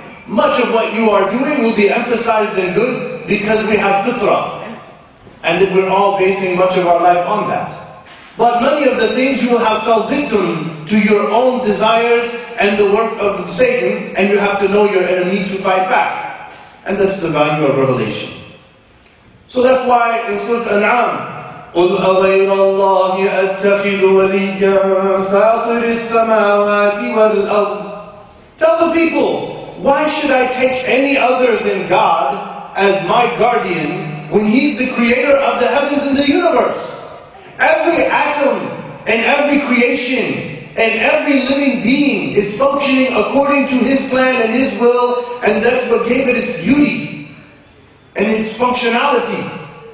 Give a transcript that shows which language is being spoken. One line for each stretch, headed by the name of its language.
English: much of what you are doing will be emphasized in good because we have fitrah. And that we're all basing much of our life on that. But many of the things you will have fell victim to your own desires and the work of Satan, and you have to know your enemy to fight back. And that's the value of revelation. So that's why in Surah An'am,
Arabic: قُلْ أَغَيْرَ اللَّهِ أَتَّخِذُ وَلِيًّا فَاطِرِ السَّمَاوَاتِ وَالْأَرْضِ.
English: Tell the people, why should I take any other than God as my guardian when He's the creator of the heavens and the universe? Every atom and every creation and every living being is functioning according to His plan and His will, and that's what gave it its beauty and its functionality.